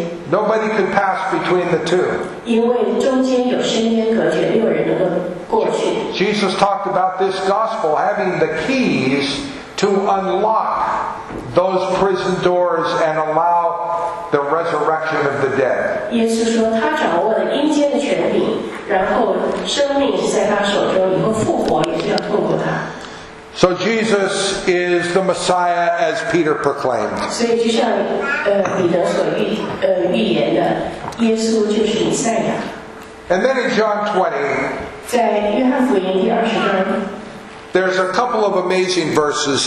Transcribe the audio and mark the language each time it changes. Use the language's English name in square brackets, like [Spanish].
[English] Nobody could pass between the two. Jesus talked about this gospel having the keys to unlock those prison doors and allow the resurrection of the dead. [Chinese] 耶稣说他掌握了阴间的权柄，然后生命是在他手中，以后复活也是要透过他。 [English] So Jesus is the Messiah as Peter proclaimed. And then in John 20, there's a couple of amazing verses.